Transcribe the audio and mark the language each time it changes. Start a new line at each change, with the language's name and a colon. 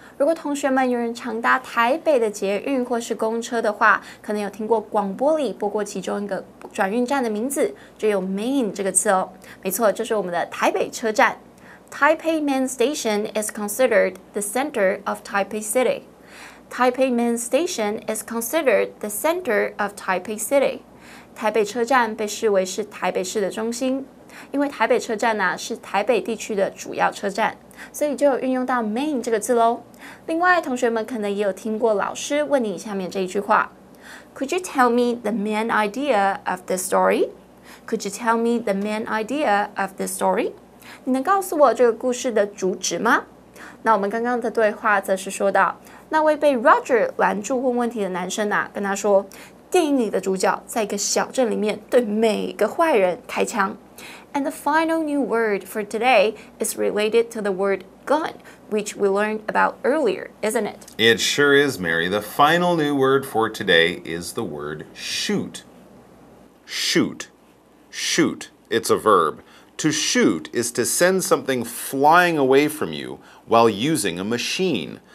Chinese: 如果同学们有人常搭台北的捷运或是公车的话，可能有听过广播里播过其中一个转运站的名字，就有 main 这个词哦。没错，就是我们的台北车站。
English: Taipei Main Station is considered the center of Taipei City. Taipei Main Station is considered the center of Taipei City.
Chinese: 台北车站被视为是台北市的中心，因为台北车站呢、是台北地区的主要车站，所以就有运用到 main 这个字咯。另外，同学们可能也有听过老师问你下面这一句话 ：
English: Could you tell me the main idea of this story? Could you tell me the main idea of this story?
Chinese: 你能告诉我这个故事的主旨吗？那我们刚刚的对话则是说到，那位被 Roger 拦住问问题的男生啊，跟他说，电影里的主角在一个小镇里面对每个坏人开枪。
English: And the final new word for today is related to the word gun, which we learned about earlier, isn't it? It sure is, Mary. The final new word for today is the word shoot. Shoot. Shoot. It's a verb. To shoot is to send something flying away from you while using a machine.